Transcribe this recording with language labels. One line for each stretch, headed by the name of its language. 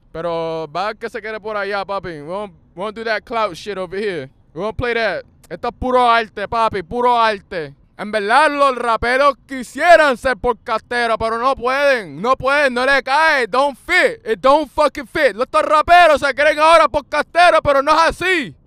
Spanish: Pero va que se quede por allá, papi.
English: We won't do that clout shit over here. We won't play that.
Spanish: Esto es puro arte, papi, puro arte. En verdad, los raperos quisieran ser podcasteros, pero no pueden. No pueden, no les cae.
English: Don't fit. It don't fucking fit.
Spanish: Los raperos se creen ahora podcasteros, pero no es así.